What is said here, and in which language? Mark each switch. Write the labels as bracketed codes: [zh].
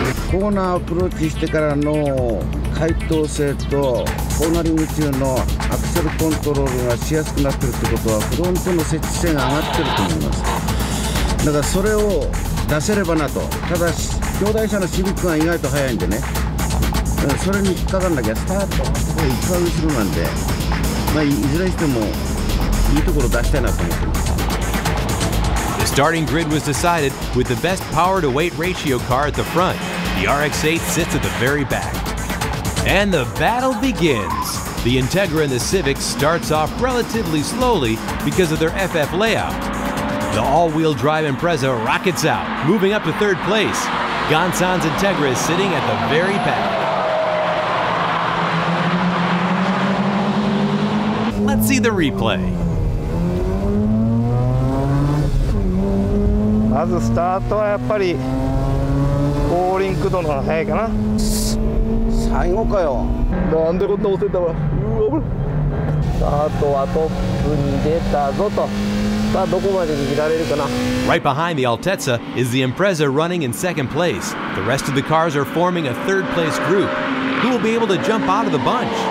[ja] コーナーアプローチしてからの回答性とコーナリング中のアクセルコントロールがしやすくなってるってことは、フロントの接地性が上がってると思います。だからそれを出せればなと。ただ兄弟車のシビックが意外と速いんでね、それに引っかかんなきゃスタートが一番後ろなんで、まあ、いずれにしてもいいところ出したいなと思ってます。 [en] The starting grid was decided with the best power-to-weight ratio car at the front. The RX-8 sits at the very back. And the battle begins. The Integra and the Civic starts off relatively slowly because of their FF layout. The all-wheel drive Impreza rockets out, moving up to third place. Gonsan's Integra is sitting at the very back. Let's see the replay. [ja] まずスタートはやっぱり後輪駆動の方が早いかな。最後かよ。なんでこんな押せたわ。うわ、危ないスタートはトップに出たぞと。さあ、どこまで握られるかな。 [en] Right behind the Altezza is the Impreza running in second place. The rest of the cars are forming a third place group. Who will be able to jump out of the bunch?